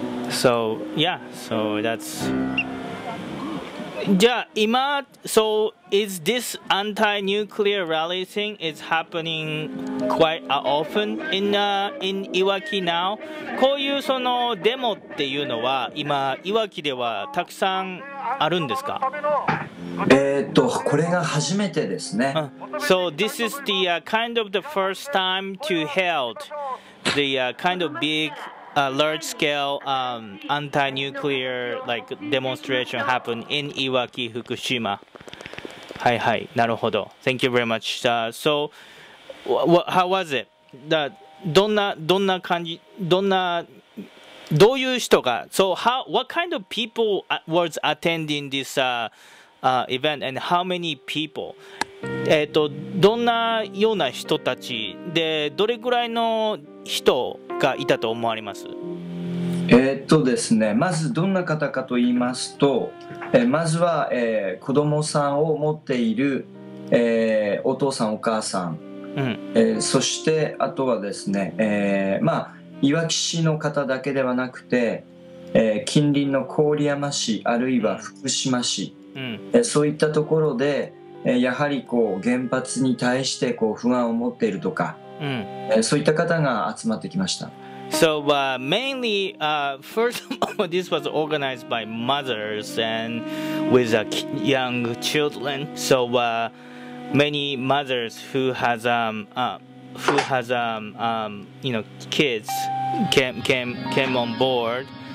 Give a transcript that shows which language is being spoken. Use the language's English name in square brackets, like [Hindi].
[English] so yeah so that'sJa, Imad, so is this anti-nuclear rally thing is happening quite often in Iwaki now? [Japanese] こういうそのデモっていうのは今いわきではたくさんあるんですか？これが初めてですね。 [English] So this is the kind of the first time to held the kind of big. Large-scale anti-nuclear like demonstration happened in Iwaki, Fukushima. [Japanese] はいはい、なるほど。 [English] Thank you very much. So, how was it? What kind of people was attending this event, and how many people? [Japanese] どんなような人たちで、どれぐらいの人がいたと思われます？ですね、まずどんな方かと言いますと、まずは、子供さんを持っている、お父さんお母さん、うん、そしてあとはですね、いわき市の方だけではなくて、近隣の郡山市あるいは福島市、うん、そういったところでやはりこう原発に対してこう不安を持っているとか、うん、そういった方が集まってきました。 [English] So, mainly, first of all, this was organized by mothers and with young children. So, many mothers who has, you know, kids came on board.